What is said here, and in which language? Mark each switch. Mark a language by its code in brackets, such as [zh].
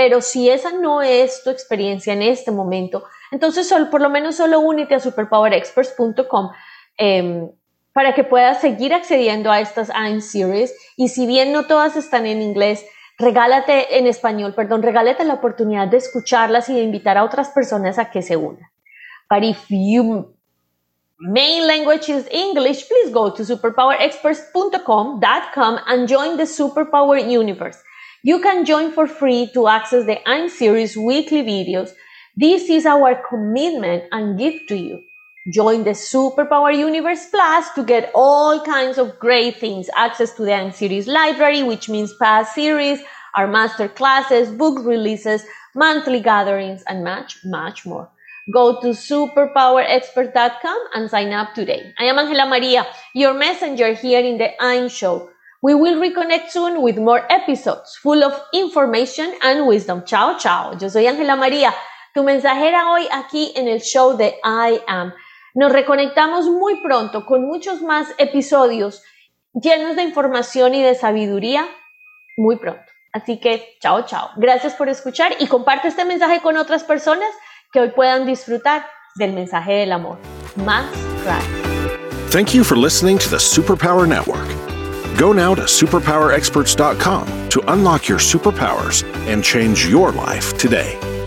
[es] Pero si esa no es tu experiencia en este momento, entonces por lo menos únete a superpowerexperts.com para que puedas seguir accediendo a estas I'm Series. Y si bien no todas están en inglés, regálate la oportunidad de escucharlas y de invitar a otras personas a que se unan. [en] But if your main language is English, please go to superpowerexperts.com and join the Superpower Universe. You can join for free to access the I'm Series weekly videos. This is our commitment and gift to you. Join the Superpower Universe Plus to get all kinds of great things. Access to the I'm Series library, which means past series, our master classes, book releases, monthly gatherings, and much, much more. Go to superpowerexpert.com and sign up today. I am Angela Maria, your messenger here in the I'm Show. We will reconnect soon with more episodes full of information and wisdom. [es] Chao, chao. Yo soy Angela María, tu mensajera hoy aquí en el show de I Am. Nos reconectamos muy pronto con muchos más episodios llenos de información y de sabiduría muy pronto. Así que chao, chao. Gracias por escuchar y comparte este mensaje con otras personas que hoy puedan disfrutar del mensaje del amor. Más gratis. [en] Thank you for listening to the Superpower Network. Go now to superpowerexperts.com to unlock your superpowers and change your life today.